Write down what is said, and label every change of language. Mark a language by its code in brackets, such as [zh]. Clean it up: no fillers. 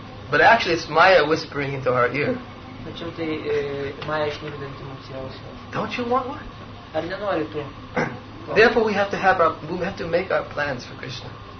[en] But actually it's Maya whispering into our ear. [lt] Tačiau tai Maya šnibždanti mums į ausį. [en] Don't you want one? [lt] Ar nenori tu? [en] Therefore we have to make our plans for Krishna.